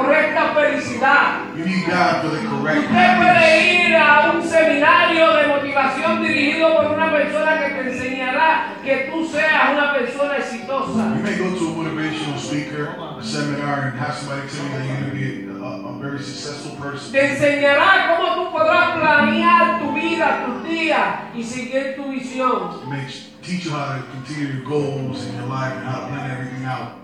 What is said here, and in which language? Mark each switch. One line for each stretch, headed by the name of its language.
Spanish: Usted puede ir a un seminario de motivación dirigido por una persona que te enseñará que tú seas una persona exitosa.
English: You may go to a motivational speaker, a seminar, and have somebody tell you that you're going to be a very successful person.
Spanish: Te enseñará cómo tú podrás planear tu vida, tus días, y seguir tu visión.
English: Teach you how to continue your goals in your life and how to plan everything out.